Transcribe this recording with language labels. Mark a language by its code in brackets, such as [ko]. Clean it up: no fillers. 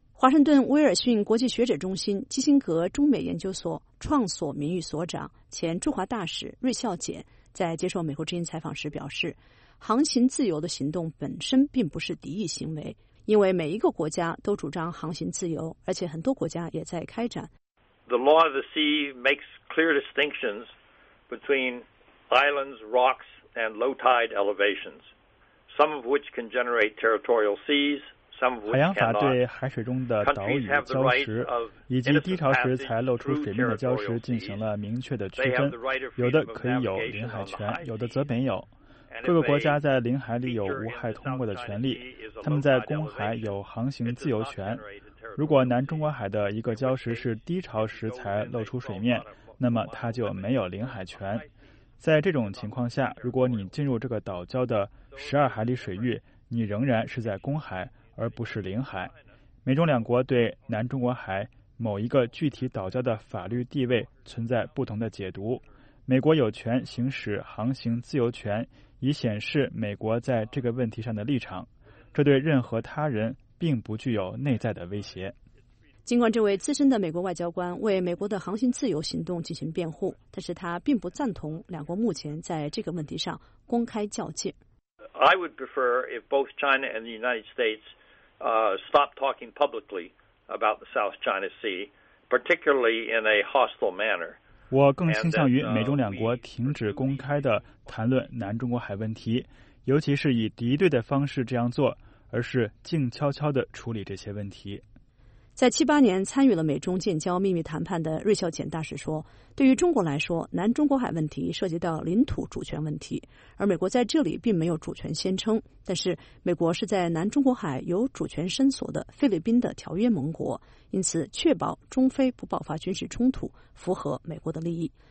[zh] 华盛顿威尔逊国际学者中心基辛格中美研究所创所名誉所长、前驻华大使芮孝俭在接受美国之音采访时表示，航行自由的行动本身并不是敌意行为，因为每一个国家都主张航行自由，而且很多国家也在开展。 [en] The law of the sea makes clear distinctions between islands, rocks, and low tide elevations, some of which can generate territorial seas. [zh] 海洋法对海水中的岛屿礁石以及低潮时才露出水面的礁石进行了明确的区分，有的可以有领海权，有的则没有。各个国家在领海里有无害通过的权利，他们在公海有航行自由权。如果南中国海的一个礁石是低潮时才露出水面，那么它就没有领海权。在这种情况下，如果你进入这个岛礁的12海里水域，你仍然是在公海而不是领海。美中两国对南中国海某一个具体岛礁的法律地位存在不同的解读。美国有权行使航行自由权，以显示美国在这个问题上的立场，这对任何他人并不具有内在的威胁。尽管这位资深的美国外交官为美国的航行自由行动进行辩护，但是他并不赞同两国目前在这个问题上公开较劲。 [en] I would prefer if both China and the United States stop talking publicly about the South China Sea, particularly in a hostile manner. [zh] 我更倾向于美中两国停止公开的谈论南中国海问题，尤其是以敌对的方式这样做，而是静悄悄地处理这些问题。在78年参与了美中建交秘密谈判的芮孝潜大使说，对于中国来说，南中国海问题涉及到领土主权问题，而美国在这里并没有主权宣称，但是美国是在南中国海有主权伸索的菲律宾的条约盟国，因此确保中非不爆发军事冲突符合美国的利益。